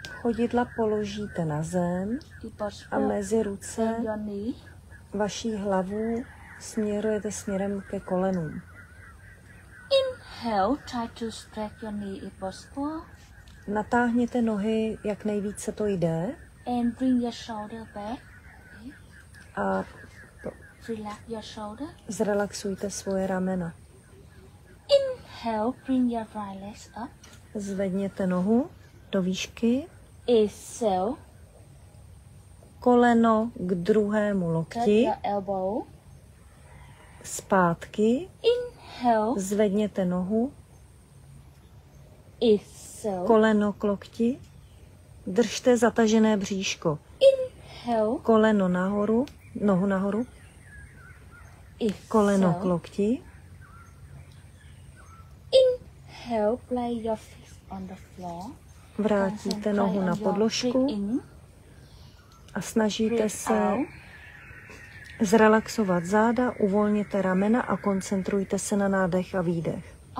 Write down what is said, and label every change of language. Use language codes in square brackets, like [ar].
[cs] Chodidla položíte na zem a mezi ruce vaší hlavu směrujete směrem ke kolenům. [en] Inhale, try to stretch your knee if possible. [cs] Natáhněte nohy, jak nejvíce to jde. [en] And bring your shoulder back. A relax your shoulder. [cs] Zrelaxujte svoje ramena. [en] Inhale, bring your right leg up. [cs] Zvedněte nohu do výšky. [en] Exhale. [cs] Koleno k druhému lokti. Zpátky. [en] Inhale. [cs] Zvedněte nohu. [en] Exhale. [cs] Koleno k lokti. Držte zatažené bříško. [en] Inhale. [cs] Koleno nahoru, nohu nahoru. [en] Exhale. [cs] Koleno k lokti. [en] Inhale. Place your feet on the floor. [cs] Vrátíte nohu na podložku a snažíte se zrelaxovat záda, uvolněte ramena a koncentrujte se na nádech a výdech.